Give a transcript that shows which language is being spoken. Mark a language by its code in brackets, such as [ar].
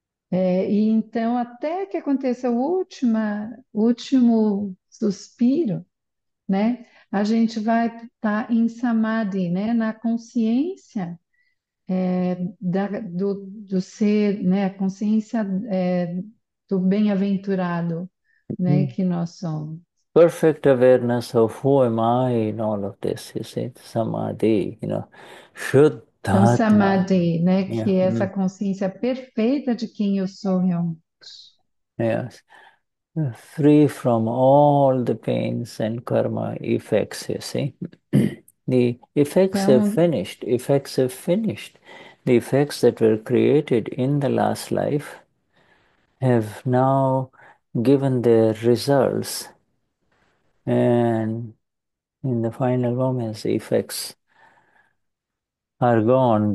[pt] E então até que aconteça o último suspiro, né? A gente vai estar em samadhi, né? Na consciência do ser, né? A consciência do bem-aventurado, né? Que nós somos. [en] Perfect awareness of who am I in all of this, you see, samadhi, [pt] Então, [en] shuddhatma. [pt] Samadhi, né, que é essa consciência perfeita de quem eu sou realmente. [en] Free from all the pains and karma effects, you see. The effects have [pt] Então, [en] finished. Effects have finished. The effects that were created in the last life have now given their results, and in the final moments, the effects are gone.